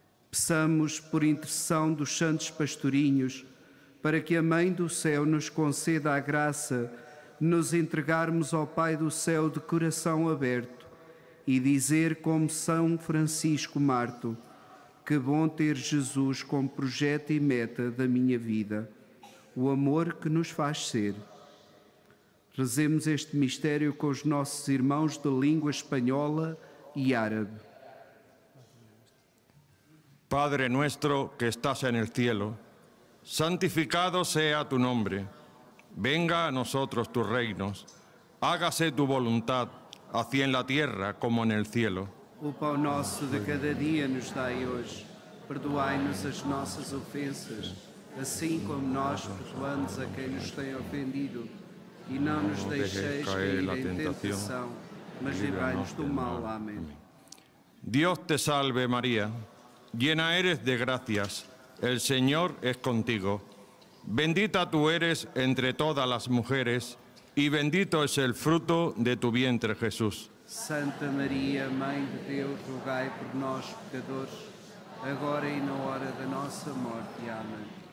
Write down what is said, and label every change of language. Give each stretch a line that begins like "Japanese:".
Portuguese: Peçamos por intercessão dos santos pastorinhos para que a Mãe do Céu nos conceda a graça de nos entregarmos ao Pai do Céu de coração aberto e dizer como São Francisco Marto, que bom ter Jesus como projeto e meta da minha vida, o amor que nos faz ser. Rezemos este mistério com os nossos irmãos de língua espanhola e árabe.
Spanish: Padre nuestro que estás en el cielo, santificado sea tu nombre. Venga a nosotros tu reino. Hágase tu voluntad, así en la tierra como en el cielo.
Portuguese: O pão nosso de cada dia nos dai hoje. Perdoai-nos as nossas ofensas, assim como nós perdoamos a quem nos tem ofendido. E não nos deixeis cair em tentação, mas livrai-nos do mal. Amém.
Spanish: Dios te salve, María. Llena eres de gracias, el Señor es contigo. Bendita tú eres entre todas las mujeres, y bendito es el fruto de tu vientre, Jesús.
Portuguese: Santa María, Mãe de Dios, rogai por nós, pecadores, agora y na hora de nossa morte. Amén.